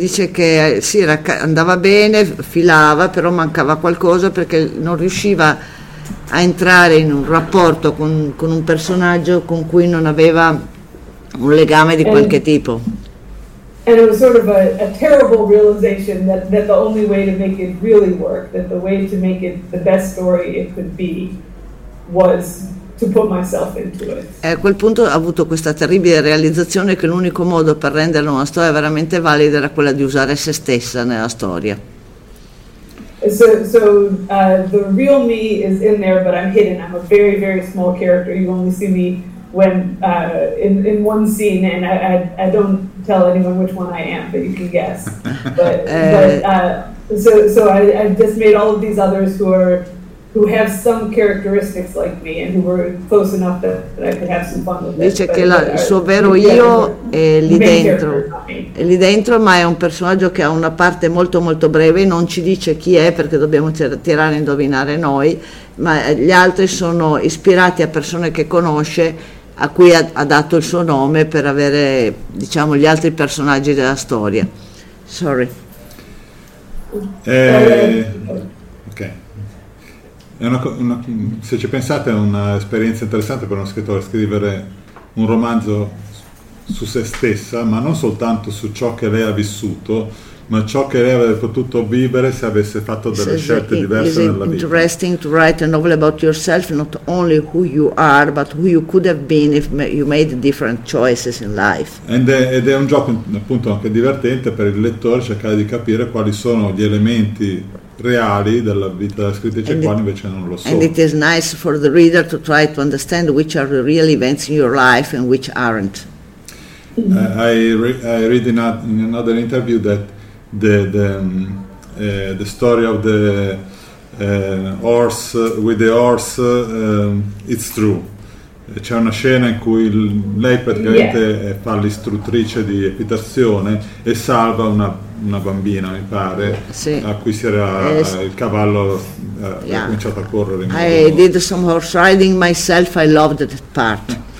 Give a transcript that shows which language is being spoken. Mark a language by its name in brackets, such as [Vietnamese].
[Italian] Dice che sì, andava bene, filava, però mancava qualcosa perché non riusciva a entrare in un rapporto con un personaggio con cui non aveva un legame di qualche tipo. [English] And it was sort of a terrible realization that the only way to make it really work, that the way to make it the best story it could be, was to put myself into it. [Italian] E a quel punto ho avuto questa terribile realizzazione che l'unico modo per renderla una storia veramente valida era quella di usare se stessa nella storia. [English] So the real me is in there, but I'm hidden. I'm a very, very small character. You only see me when in one scene, and I don't tell anyone which one I am, but you can guess. So I just made all of these others who have some characteristics like me and who were close enough that I could have some fun with it. [Italian] Dice che il suo vero io è lì dentro. È lì dentro, ma è un personaggio che ha una parte molto molto breve, non ci dice chi è perché dobbiamo tirare a indovinare noi, ma gli altri sono ispirati a persone che conosce, a cui ha dato il suo nome per avere, diciamo, gli altri personaggi della storia. [English] Sorry. [Italian] È una, se ci pensate, è un'esperienza interessante per uno scrittore scrivere un romanzo su se stessa, ma non soltanto su ciò che lei ha vissuto, ma ciò che lei avrebbe potuto vivere se avesse fatto delle scelte diverse nella vita. [English] Is it interesting to write a novel about yourself, not only who you are, but who you could have been if you made different choices in life? [Italian] Ed è un gioco appunto anche divertente per il lettore cercare di capire quali sono gli elementi reali della vita della scrittrice, quali invece non lo sono. [English] And it is nice for the reader to try to understand which are the real events in your life and which aren't. I read in another interview that the story of the horse with the horse it's true. [Italian] C'è una scena in cui lei praticamente fa l'istruttrice di equitazione e salva una bambina, mi pare, a cui si era il cavallo ha cominciato a correre. [English] I did some horse riding myself. I loved that part.